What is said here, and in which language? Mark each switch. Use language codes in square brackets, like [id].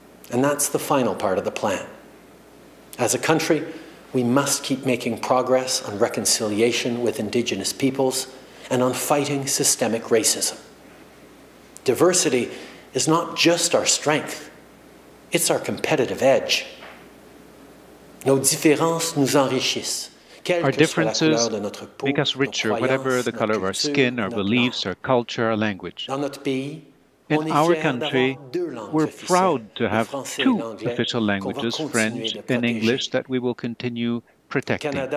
[en] And that's the final part of the plan. As a country, we must keep making progress on reconciliation with Indigenous peoples and on fighting systemic racism. Diversity is not just our strength, it's our competitive edge. [fr] Nos différences nous enrichissent. [en] Our differences make us richer, whatever the color of our skin, our beliefs, our culture, our language. In our country, we're proud to have two official languages, French and English, that we will continue protecting.